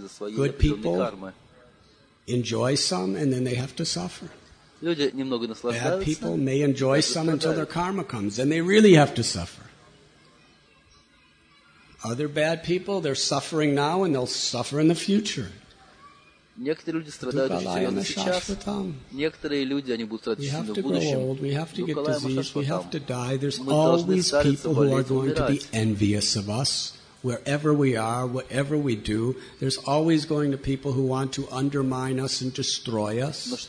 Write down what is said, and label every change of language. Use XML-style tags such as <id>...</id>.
<en>Good people enjoy some and then they have to suffer. Bad people may enjoy some until their karma comes and they really have to suffer. Other bad people, they're suffering now and they'll suffer in the future.</en> <ru>Некоторые люди страдают очень сейчас. Некоторые люди, они будут страдать в будущем.</ru> <en>We have to get diseased. We have to die. There's always people who are going to be envious of us. Wherever we are, whatever we do, there's always going to be people who want to undermine us and destroy us.</en>